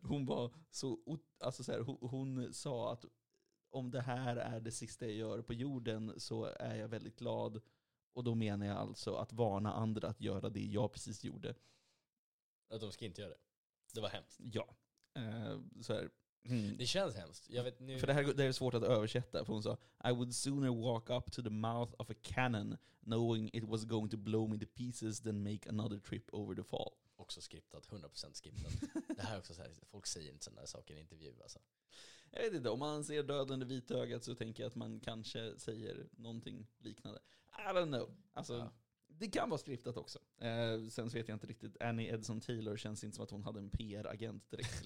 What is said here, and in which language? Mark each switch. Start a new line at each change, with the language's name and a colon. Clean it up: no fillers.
Swedish: Hon var så, alltså så här, hon sa att om det här är det sista jag gör på jorden så är jag väldigt glad. Och då menar jag alltså att varna andra att göra det jag precis gjorde. Att de ska inte göra det. Det var hemskt. Ja. Så här. Det känns hemskt. Jag vet, nu... För det här är svårt att översätta. För hon sa,
English: I would sooner walk up to the mouth of a cannon knowing it was going to blow me to pieces than make another trip over the fall.
Swedish: Också skriptat, 100% skriptat. Det här är också så här, folk säger inte sådana saker i intervju. Alltså. Jag vet inte, om man ser döden i vit ögat så tänker jag att man kanske säger någonting liknande.
English: I don't know.
Swedish: Alltså, ja. Det kan vara skriptat också. Sen så vet jag inte riktigt, Annie Edson Taylor känns inte som att hon hade en PR-agent direkt.